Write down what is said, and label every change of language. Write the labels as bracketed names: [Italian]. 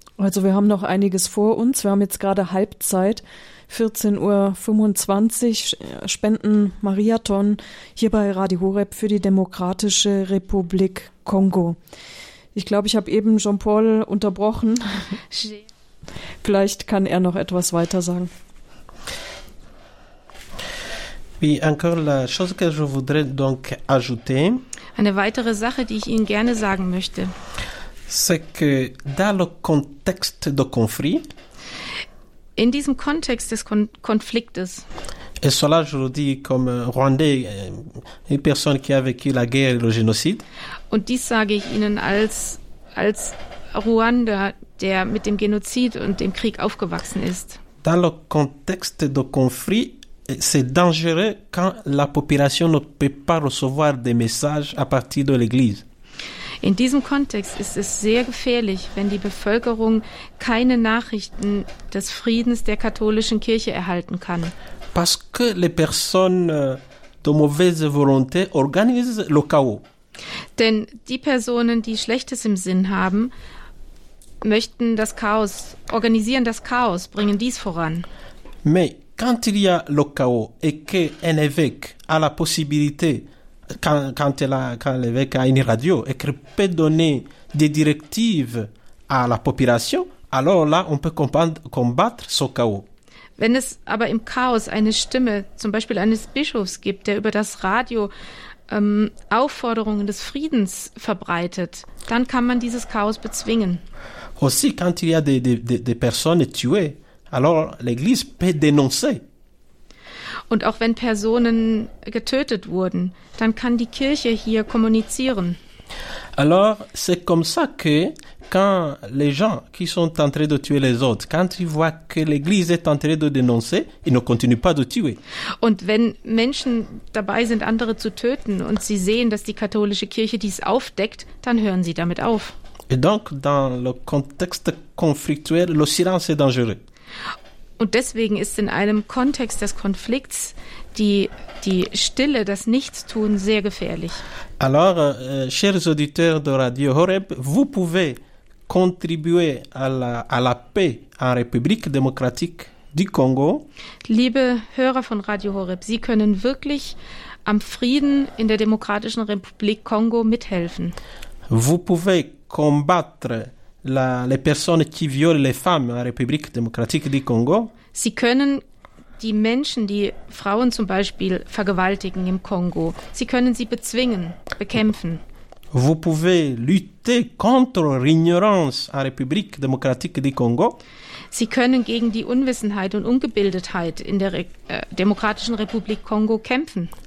[German] Also wir haben noch einiges vor uns. Wir haben jetzt gerade Halbzeit, 14.25 Uhr, Spenden-Mariathon hier bei Radio Horeb für die Demokratische Republik Kongo. Ich glaube, ich habe eben Jean-Paul unterbrochen. Vielleicht kann er noch etwas weiter sagen. [French] Oui, encore la chose que je voudrais donc ajouter. [German] Eine weitere Sache, die ich Ihnen gerne sagen möchte. [French] C'est que dans le contexte de conflit, [German] in diesem Kontext des Konfliktes, [French] et cela je le dis comme Rwandais, une personne qui a vécu la guerre et le génocide, [German] und dies sage ich Ihnen als Ruanda, der mit dem Genozid und dem Krieg aufgewachsen ist. [French] Dans le contexte de conflit, c'est dangereux quand la population ne peut pas recevoir des messages à partir de l'église. [German] In diesem Kontext ist es sehr gefährlich, wenn die Bevölkerung keine Nachrichten des Friedens der katholischen Kirche erhalten kann. [French] Parce que les personnes de mauvaise volonté organisent le chaos. [German] Denn die Personen, die Schlechtes im Sinn haben, möchten das Chaos, organisieren das Chaos, bringen dies voran. [French] Mais quand il y a le chaos et qu'un évêque a la possibilité, quand l'évêque a une radio et qu'il peut donner des directives à la population, alors là, on peut combattre ce chaos. [German] Wenn es aber im Chaos eine Stimme, zum Beispiel eines Bischofs gibt, der über das Radio Aufforderungen des Friedens verbreitet, dann kann man dieses Chaos bezwingen. [French] Aussi, quand il y a des personnes tuées, alors l'Église peut dénoncer. [German] Und auch wenn Personen getötet wurden, dann kann die Kirche hier kommunizieren. [French] Alors, c'est comme ça que quand les gens qui sont en train de tuer les autres, quand ils voient que l'Église est en train de dénoncer, ils ne continuent pas de tuer. [German] Und wenn Menschen dabei sind, andere zu töten und sie sehen, dass die katholische Kirche dies aufdeckt, dann hören sie damit auf. [French] Et donc, dans le contexte conflictuel, le silence est dangereux. [German] Und deswegen ist in einem Kontext des Konflikts die Stille, das Nichtstun, sehr gefährlich. [French] Alors, chers auditeurs de Radio Horeb, vous pouvez contribuer à la paix en République démocratique du Congo. [German] Liebe Hörer von Radio Horeb, Sie können wirklich am Frieden in der Demokratischen Republik Kongo mithelfen. [French] Vous pouvez combattre les personnes qui violent les femmes en République démocratique du Congo. [German] Sie können die Menschen, die Frauen zum Beispiel vergewaltigen im Kongo, sie können sie bezwingen, bekämpfen. [French] Vous pouvez lutter contre l'ignorance en République démocratique du Congo. [German] Sie können gegen die Unwissenheit und Ungebildetheit in der Demokratischen Republik Kongo kämpfen.